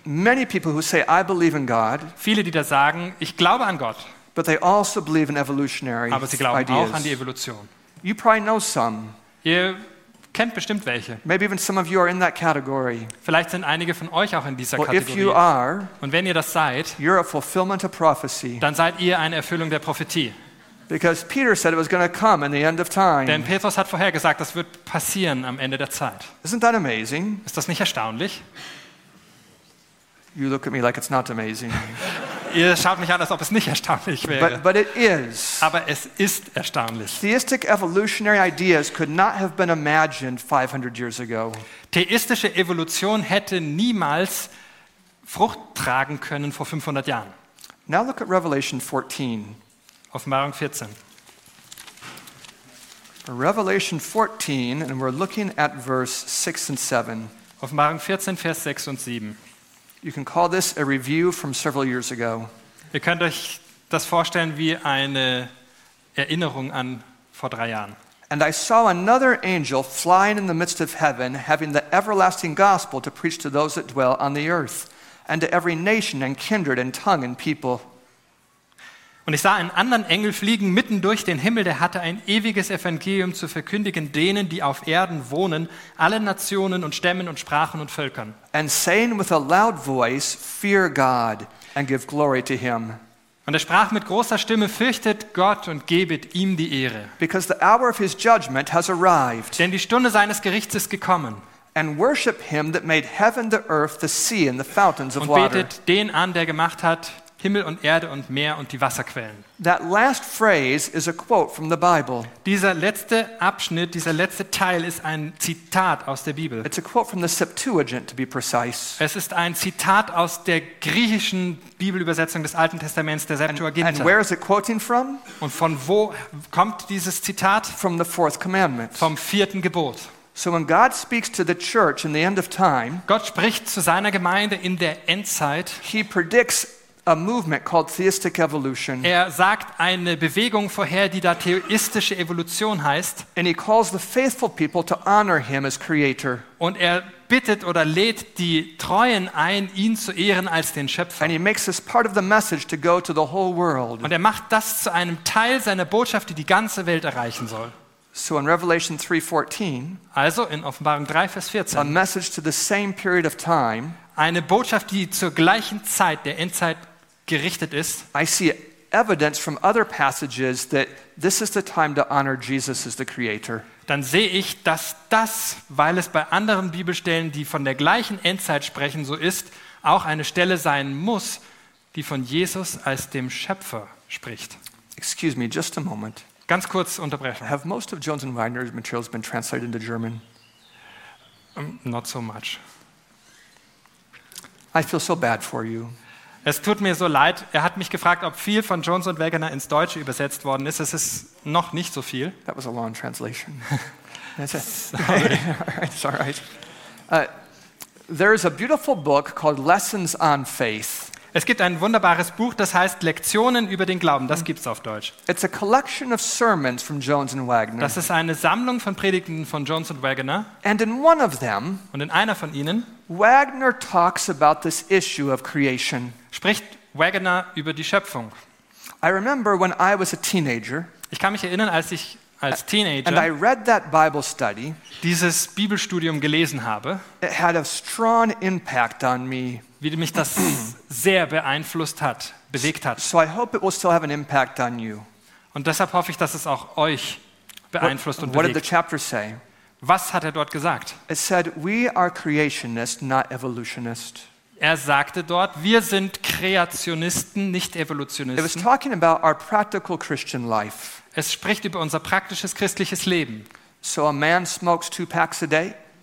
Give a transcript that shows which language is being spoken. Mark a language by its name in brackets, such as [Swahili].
[English] Many people who say I believe in God. [German] Viele, die da sagen, ich glaube an Gott. [English] But they also believe in evolutionary [German] ideas. Aber sie glauben auch an die Evolution. [English] You probably know some. [German] Ihr kennt bestimmt welche. [English] Maybe even some of you are in that category. [German] Vielleicht sind einige von euch auch in dieser Kategorie. [English] If you are, [German] und wenn ihr das seid, [English] you're a fulfillment of prophecy. [German] Dann seid ihr eine Erfüllung der Prophetie. [English] Because Peter said it was going to come in the end of time. [German] Denn Petrus hat vorhergesagt, das wird passieren am Ende der Zeit. [English] Isn't that amazing? [German] Ist das nicht erstaunlich? [English] You look at me like it's not amazing. [German] Ihr schaut mich an, als ob es nicht erstaunlich wäre. [English] But it is. [German] Aber es ist erstaunlich. [English] Theistic evolutionary ideas could not have been imagined 500 years ago. [German] Theistische Evolution hätte niemals Frucht tragen können vor 500 Jahren. [English] Now look at Revelation 14. [German] Offenbarung 14. [English] Revelation 14, and we're looking at verse 6 and 7. [German] Offenbarung 14, Vers 6 und 7. [English] You can call this a review from several years ago. [German] Ihr könnt euch das vorstellen wie eine Erinnerung an vor 3 Jahren. [English] And I saw another angel flying in the midst of heaven, having the everlasting gospel to preach to those that dwell on the earth, and to every nation and kindred and tongue and people. [German] Und ich sah einen anderen Engel fliegen mitten durch den Himmel, der hatte ein ewiges Evangelium zu verkündigen denen, die auf Erden wohnen, allen Nationen und Stämmen und Sprachen und Völkern. [English] And saying with a loud voice, fear God and give glory to him. [German] Und er sprach mit großer Stimme, fürchtet Gott und gebet ihm die Ehre. [English] Because the hour of his judgment has arrived. [German] Denn die Stunde seines Gerichts ist gekommen. [English] And worship him that made heaven, the earth, the sea and the fountains of [German] water. Und betet den an, der gemacht hat Himmel und Erde und Meer und die Wasserquellen. [English] That last phrase is a quote from the Bible. [German] Dieser letzte Abschnitt, dieser letzte Teil ist ein Zitat aus der Bibel. [English] It's a quote from the Septuagint, to be precise. [German] Es ist ein Zitat aus der griechischen Bibelübersetzung des Alten Testaments, der Septuaginta. [English] And where is it quoting from? [German] Und von wo kommt dieses Zitat? [English] From the fourth commandment. [German] Vom vierten Gebot. [English] So when God speaks to the church in the end of time, [German] Gott spricht zu seiner Gemeinde in der Endzeit. [English] He predicts a movement called theistic evolution. [German] Er sagt eine Bewegung vorher, die da theistische Evolution heißt. [English] And he calls the faithful people to honor him as creator. [German] Und er bittet oder lädt die Treuen ein, ihn zu ehren als den Schöpfer. [English] And he makes this part of the message to go to the whole world. [German] Und er macht das zu einem Teil seiner Botschaft, die die ganze Welt erreichen soll. [English] So in Revelation 3:14, [German] also in Offenbarung 3 Vers 14, [English] a message to the same period of time. [German] Eine Botschaft, die zur gleichen Zeit der Endzeit gerichtet ist. [English] I see evidence from other passages that this is the time to honor Jesus as the creator. [German] Dann sehe ich, dass das, weil es bei anderen Bibelstellen, die von der gleichen Endzeit sprechen, so ist, auch eine Stelle sein muss, die von Jesus als dem Schöpfer spricht. [English] Excuse me, just a moment. [German] Ganz kurz unterbrechen. [English] Have most of Jones and Weiner's materials been translated into German? Not so much. I feel so bad for you. [German] Es tut mir so leid. Er hat mich gefragt, ob viel von Jones und Wegener ins Deutsche übersetzt worden ist. Es ist noch nicht so viel. [English] That was a long translation. That's it. Sorry. There is a beautiful book called Lessons on Faith. [German] Es gibt ein wunderbares Buch, das heißt Lektionen über den Glauben. Das gibt's auf Deutsch. [English] It's a collection of sermons from Jones and Wegener. [German] Das ist eine Sammlung von Predigten von Jones und Wegener. [English] And in one of them, [German] und in einer von ihnen, [English] Wegener talks about this issue of creation. [German] Spricht Wegener über die Schöpfung. [English] I remember when I was a teenager. [German] Ich kann mich erinnern, als ich als Teenager, [English] and I read that Bible study, [German] dieses Bibelstudium gelesen habe. [English] It had a strong impact on me. [German] Wie mich das sehr beeinflusst hat, bewegt hat. [English] So I hope it will still have an impact on you. [German] Und deshalb hoffe ich, dass es auch euch beeinflusst und bewegt. [English] What did the chapter say? [German] Was hat er dort gesagt? [English] It said, we are creationists, not evolutionists. [German] Er sagte dort, wir sind Kreationisten, nicht Evolutionisten. [English] It was talking about our practical Christian life. [German] Es spricht über unser praktisches christliches Leben. [English] So a man smokes 2 packs a day.